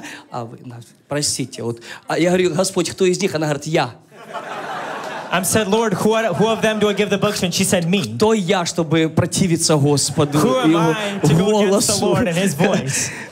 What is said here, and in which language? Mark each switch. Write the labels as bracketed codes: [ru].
[ru] А вы, простите, вот. А я говорю, Господь, кто из них? Она говорит, я. [en] I said, Lord, who of them do I give the books to? And she said, me. [ru] Кто я, чтобы противиться Господу? Who am I to go against the Lord and His voice?